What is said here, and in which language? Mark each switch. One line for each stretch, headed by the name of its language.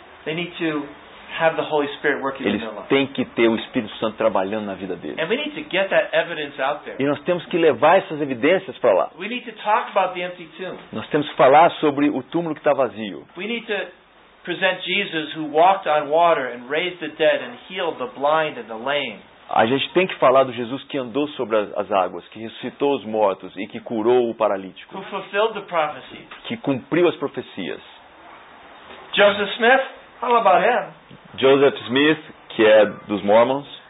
English: They need to have the Holy Spirit working
Portuguese: eles
English: in their life.
Portuguese: Têm que ter o Espírito Santo trabalhando na vida deles.
English: And we need to get that evidence out there.
Portuguese: E nós temos que levar essas evidências para lá.
English: We need to talk about the empty tomb.
Portuguese: Nós temos que falar sobre o túmulo que está vazio.
English: We need to present Jesus who walked on water and raised the dead and healed the blind and the lame.
Portuguese: A gente tem que falar do Jesus que andou sobre as águas, que ressuscitou os mortos e que curou o paralítico.
English: Who fulfilled the prophecies.
Portuguese: Que cumpriu as profecias.
English: Joseph Smith, how about him?
Portuguese: Joseph Smith, que é dos Mormons.